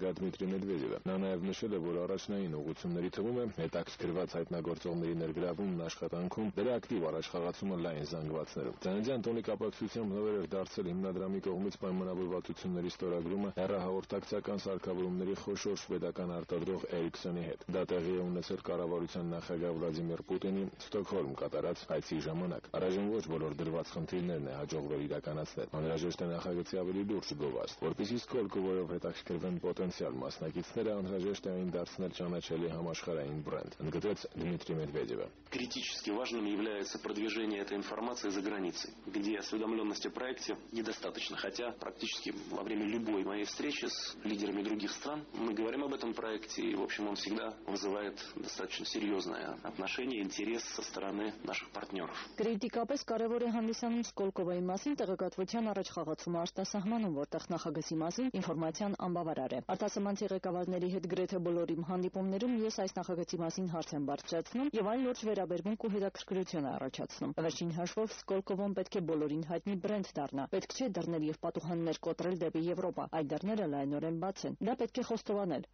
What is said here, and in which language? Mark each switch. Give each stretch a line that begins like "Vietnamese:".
Armenian: Դմիտրի Մեդվեդևը։ Նա նաև նշել է, որ առաջնային ուղղությունների թվում է հետաքրքրված հայտնագործողների ներգրավումն աշխատանքում, դրա ակտիվ առաջխաղացումը լայն զանգվածներում։ Ծննդյան տոնի կապակցությամբ նորերև դարձել հիմնադրամի կողմից պայմանավորվածություն ների ստորագրումը հեռահաղորդակցական սարքավորումների խոշոր շվեդական արտադրող Էրիքսոնի հետ։ Դա տեղի է ունեցել կառավարության նախագահ Վլադիմիր Պուտինի Ստոկհոլմ կատարած այցի ժամանակ։ Առաջին ոչ բոլոր դրված խնդիրներն է հաջողվել իրականացնել։ Անհրաժեշտ է նախագծի ավելի լուրջ գովազդ, որպեսզի Սկորկովոյով հետաքրքրվեն պոտենցիալ մասնակիցները, անհրաժեշտ է այն դարձնել ճանաչելի համաշխարհային բրենդ, ընդգծեց Դմիտրի Մեդվեդևը։
Russian: Критически важным является продвижение этой информации за границей, где осведомлённость о проекте недостаточно, хотя практически во время любой моей встречи с лидерами других стран мы говорим об этом проекте, и, в общем, он всегда вызывает достаточно серьезное отношение, интерес со стороны наших партнеров. Критикапес
Armenian: կարևոր է հանդիսանում Սկոլկովայի մասին տեղեկատվության առաջխաղացումը արտասահմանում, որտեղ նախագծի մասին ինֆորմացիան անբավարար է։ Արտասահմանցի ղեկավարների հետ գրեթե բոլոր իմ հանդիպումներում ես այս նախագծի մասին հարց եմ բարձրացնում եւ այն լուրջ վերաբերմունք ու հետաքրքրություն առաջացնում։ Վերջին հաշվով Սկոլկովոն պետք է բոլորին հայտնի բրենդ դառնա, պետք չէ դռներ եւ պատուհաններ կոտրել դեպի Եվրոպա, այդ դռները լայնորեն բաց են։ Դա պետք է խոստովանել,